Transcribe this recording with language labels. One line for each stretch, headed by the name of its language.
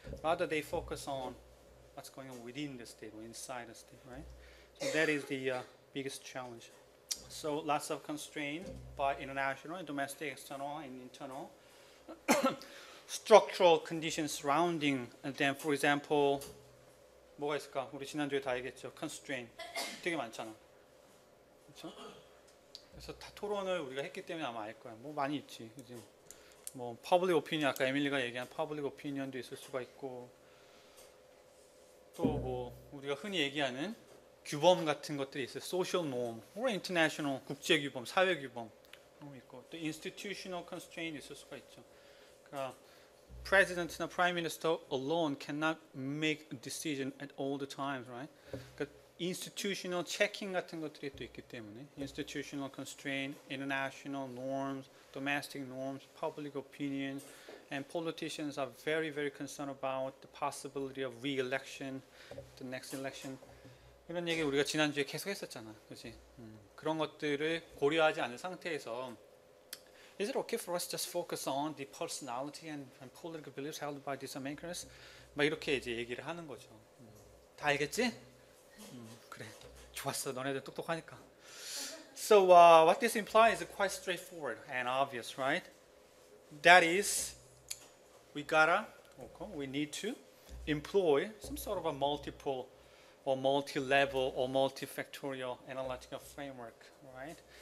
English: Rather, they focus on what's going on within the state or inside the state, right? So that is the biggest challenge. So lots of constraints by international and domestic, external and internal structural conditions surrounding them. For example,
Korean: 뭐가 있을까? 우리 지난주에 다 얘기했죠. Constraint. 되게 많잖아. 그렇죠? 그래서 다 토론을 우리가 했기 때문에 아마 알 거야. 뭐 많이 있지. 그치? 뭐 public opinion 아까 에밀리가 얘기한 public opinion도 있을 수가 있고 또 뭐 우리가 흔히 얘기하는 규범 같은 것들이 있어요
English: social norm or international
Korean: 국제 규범 사회 규범 있고 또 institutional constraint 있을 수가 있죠. 그러니까
English: president나 prime minister alone cannot make a decision at all the times, right?
Korean: 그러니까 institutional checking 같은 것들이 또 있기 때문에
English: institutional constraint, international norms. Domestic norms, public opinion, and politicians are very, very concerned about the possibility of re-election, the next election.
Korean: 이런 얘기 우리가 지난주에 계속했었잖아, 그렇지? 그런 것들을 고려하지 않은 상태에서
English: is it okay for us to just focus on the personality and political beliefs held by decision makers?
Korean: 막 이렇게 이제 얘기를 하는 거죠. 다 알겠지? 그래, 좋았어. 너네들 똑똑하니까.
English: So what this implies is quite straightforward and obvious, right? That is, we need to employ some sort of a multiple or multi-level or multifactorial analytical framework, right?